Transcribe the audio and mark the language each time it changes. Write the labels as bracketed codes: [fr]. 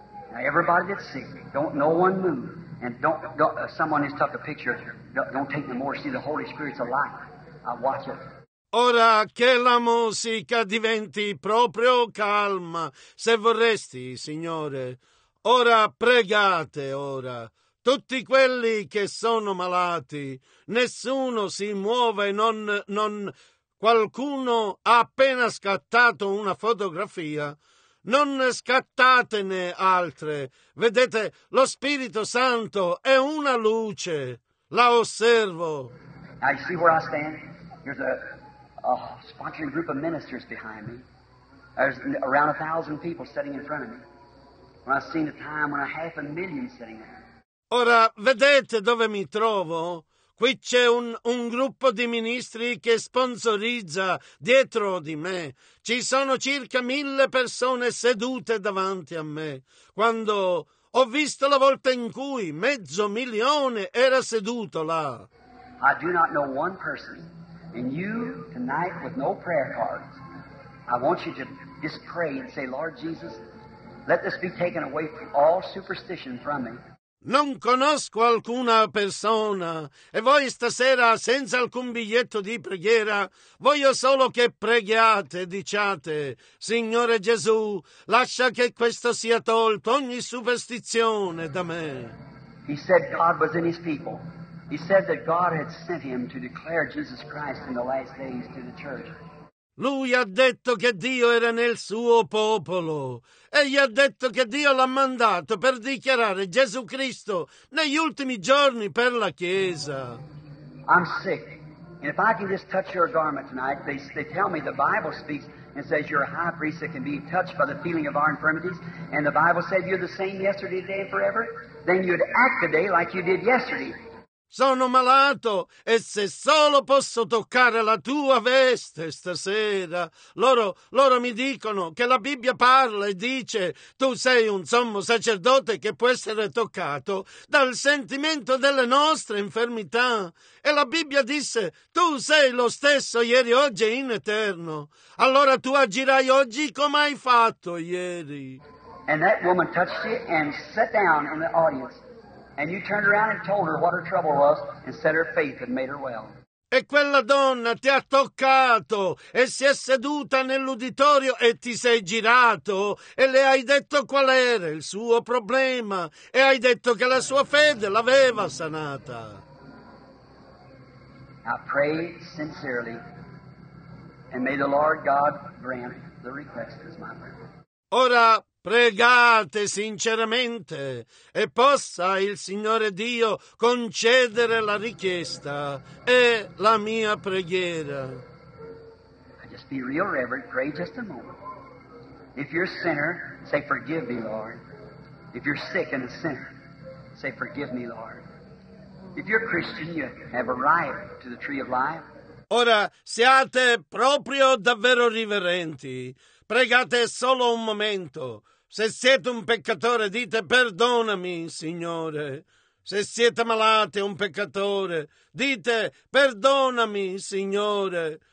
[en] Now everybody that's sick, don't no one move. And don't someone has took a picture. Don't take no more. See, the Holy Spirit's alive. I watch it. [it] Ora che la musica diventi proprio calma, se vorresti, Signore, ora pregate, ora. Tutti quelli che sono malati, nessuno si muove, non qualcuno ha appena scattato una fotografia, non scattatene altre. Vedete, lo Spirito Santo è una luce. La osservo. [en] Now you see where I stand? There's a sponsoring group of ministers behind me. There's around 1,000 people sitting in front of me. When I seen a time when 500,000 sitting there. [it] Ora, vedete dove mi trovo? Qui c'è un gruppo di ministri che sponsorizza dietro di me. Ci sono circa 1,000 persone sedute davanti a me. Quando ho visto la volta in cui 500,000 era seduto là. [en] I do not know one person. And you, tonight, with no prayer cards, I want you to just pray and say, Lord Jesus, let this be taken away from all superstition from me. [it] Non conosco alcuna persona e voi stasera, senza alcun biglietto di preghiera, voglio solo che preghiate, diciate, Signore Gesù, lascia che questo sia tolto, ogni superstizione da me. [en] He said God was in his people. He said that God had sent him to declare Jesus Christ in the last days to the church. [it] Lui ha detto che Dio era nel suo popolo. Egli ha detto che Dio l'ha mandato per dichiarare Gesù Cristo negli ultimi giorni per la Chiesa. [en] I'm sick. And if I can just touch your garment tonight, they tell me the Bible speaks and says you're a high priest that can be touched by the feeling of our infirmities. And the Bible said you're the same yesterday, today, and forever. Then you'd act today like you did yesterday. [it] Sono malato e se solo posso toccare la tua veste stasera. Loro mi dicono che la Bibbia parla e dice tu sei un sommo sacerdote che può essere toccato dal sentimento delle nostre infermità. E la Bibbia disse tu sei lo stesso ieri, oggi e in eterno. Allora tu agirai oggi come hai fatto ieri. [en] And that woman touched it and sat down in the audience. And you turned around and told her what her trouble was and said her faith had made her well. [it] E quella donna ti ha toccato e si è seduta nell'uditorio e ti sei girato e le hai detto qual era il suo problema e hai detto che la sua fede l'aveva sanata. [en] I pray sincerely and may the Lord God grant the request is my prayer. [it] Ora pregate sinceramente e possa il Signore Dio concedere la richiesta e la mia preghiera. [en] I just be real reverent, pray just a moment. If you're a sinner, say forgive me, Lord. If you're sick and a sinner, say forgive me, Lord. If you're a Christian, you have a right to the tree of life. [it] Ora siate proprio davvero riverenti. Pregate solo un momento. Se siete un peccatore, dite perdonami, Signore. Se siete malati, un peccatore, dite perdonami, Signore.